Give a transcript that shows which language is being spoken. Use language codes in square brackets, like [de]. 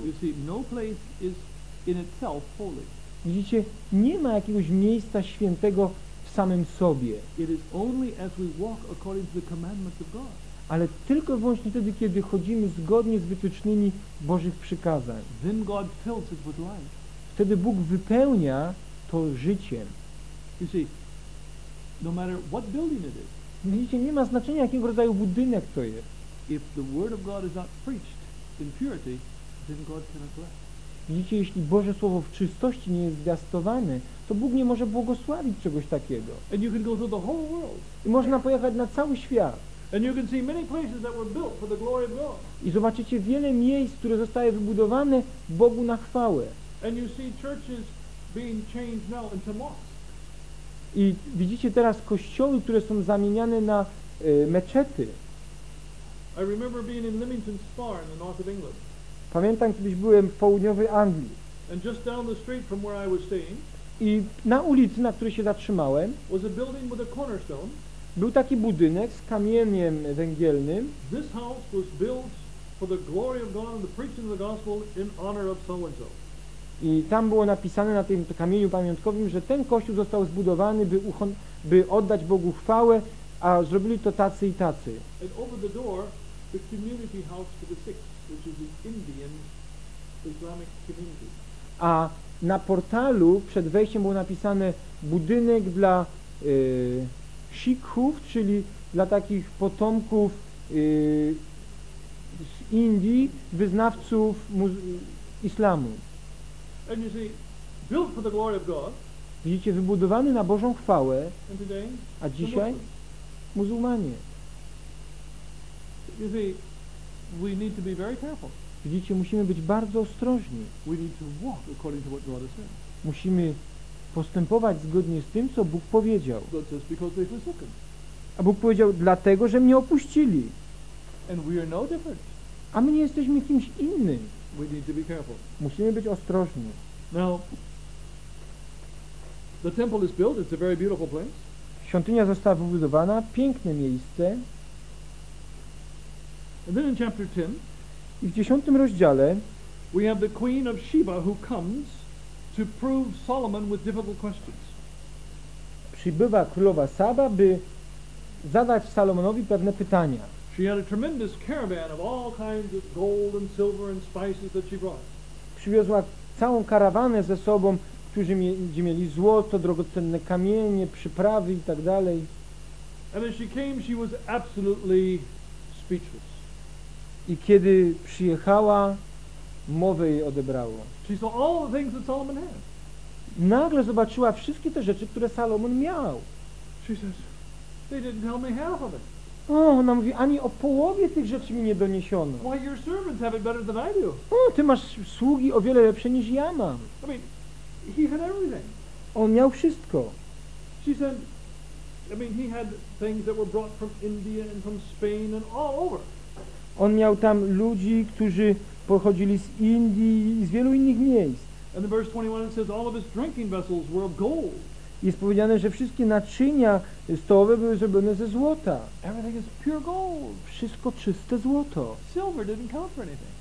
[en] You see, no place is in itself holy. [pl] Widzicie, nie ma jakiegoś miejsca świętego w samym sobie. [en] It is only as we walk according to the commandments of God. [pl] Ale tylko i wyłącznie wtedy, kiedy chodzimy zgodnie z wytycznymi Bożych przykazań. [en] Then God fills it with life. [pl] Wtedy Bóg wypełnia to życiem. [en] You see, no matter what building it is. [pl] Widzicie, nie ma znaczenia, jakiego rodzaju budynek to jest. [en] If the word of God is not preached in purity, then God cannot bless. [pl] Widzicie, jeśli Boże Słowo w czystości nie jest zwiastowane, to Bóg nie może błogosławić czegoś takiego. [en] And you can go through the whole world. [pl] I można pojechać na cały świat. [en] And you can see many places that were built for the glory of God. [pl] I zobaczycie wiele miejsc, które zostaje wybudowane Bogu na chwałę. [en] And you see churches being changed now into mosques. [pl] I widzicie teraz kościoły, które są zamieniane na meczety. [en] I remember being in Lymington Spa in the north of England. [pl] Pamiętam, kiedyś byłem w południowej Anglii. [en] And just down the street from where I was staying. [pl] I na ulicy, na której się zatrzymałem, [en] was a building with a cornerstone. [pl] Był taki budynek z kamieniem węgielnym. [en] This house was built for the glory of God and the preaching of the gospel in honor of so and so. [pl] I tam było napisane na tym kamieniu pamiątkowym, że ten kościół został zbudowany, by oddać Bogu chwałę, a zrobili to tacy i tacy. [en] And over the door, the community house for the sick, which is the Indian Islamic community. [pl] A na portalu przed wejściem było napisane budynek dla Sikhów, czyli dla takich potomków z Indii, wyznawców islamu. [en] And you see, built for the glory of God. [pl] Widzicie, wybudowany na Bożą chwałę. [en] And today, [pl] a dzisiaj muzułmanie. [en] You see, we need to be very careful. [pl] Widzicie, musimy być bardzo ostrożni. [en] We need to walk according to what God has said. [pl] Musimy postępować zgodnie z tym, co Bóg powiedział. [en] But just because they forsaken. [pl] A Bóg powiedział, dlatego, że mnie opuścili. [en] And we are no different. [pl] A my nie jesteśmy kimś innym. [en] We need to be careful. [pl] Musimy być ostrożni. [en] Now, the temple is built. It's a very beautiful place. [pl] Świątynia została wybudowana. Piękne miejsce. [en] And then in chapter 10, [pl] i w 10 rozdziale, [en] we have the Queen of Sheba who comes to prove Solomon with difficult questions. [pl] Przybywa królowa Saba, by zadać Salomonowi pewne pytania. [en] She had a tremendous caravan of all kinds of gold and silver and spices that she brought. [pl] Przywiozła całą karawanę ze sobą, gdzie mieli złoto, drogocenne kamienie, przyprawy i tak dalej. [en] And as she came, she was absolutely speechless. [pl] I kiedy przyjechała, mowę jej odebrało. [en] She saw all the things that Solomon had. [pl] Nagle zobaczyła wszystkie te rzeczy, które Salomon miał. [en] She says, they didn't tell me half of it. [pl] O, ona mówi, ani o połowie tych rzeczy mi nie doniesiono. [en] Why, your servants have it better than I do. [pl] O, ty masz sługi o wiele lepsze niż ja mam. [en] I mean, he had everything. [pl] On miał wszystko. [en] She said, I mean, he had things that were brought from India and from Spain and all over. [pl] On miał tam ludzi, którzy pochodzili z Indii i z wielu innych miejsc. [en] And in verse 21 it says all of his drinking vessels were of gold. [pl] Jest powiedziane, że wszystkie naczynia stołowe były zrobione ze złota. [en] Everything is pure gold. [pl] Wszystko czyste złoto. [en] Silver didn't count for anything.